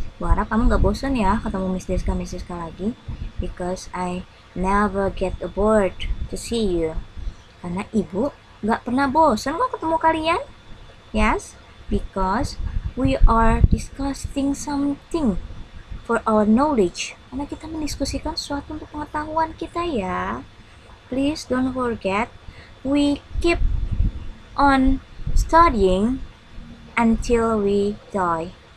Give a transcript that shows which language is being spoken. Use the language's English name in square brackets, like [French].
[Indonesian] Berharap kamu gak bosan ya ketemu Miss Diska lagi. [English] Because I never get bored to see you. [Indonesian] Karena ibu gak pernah bosan kok ketemu kalian. [English] Yes, because we are discussing something for our knowledge. [Indonesian] Karena kita mendiskusikan sesuatu untuk pengetahuan kita ya. [English] Please don't forget, we keep on studying until we die.